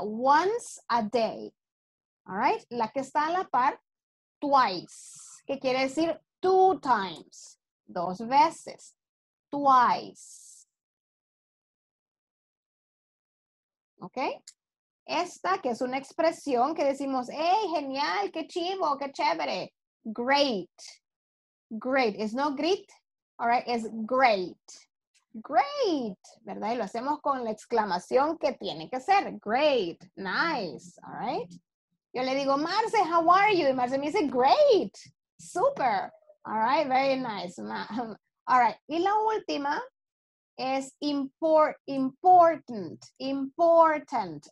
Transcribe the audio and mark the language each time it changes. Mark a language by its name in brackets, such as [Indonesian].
[English] Once a day. All right? [Spanish] La que está a la par, [English] twice. [Spanish] ¿Qué quiere decir? [English] Two times, [Spanish] dos veces, [English] twice. [Spanish] ¿Ok? Esta que es una expresión que decimos, [English] hey, [Spanish] genial, qué chivo, qué chévere. [English] Great, great, it's not great, all right, it's great. [Spanish] Great, ¿verdad? Y lo hacemos con la exclamación que tiene que ser, [English] great, nice, all right. [Spanish] Yo le digo, Marce, [English] how are you? [Spanish] Y Marce me dice, [English] great, super. All right, very nice. All right, y la última es important, important.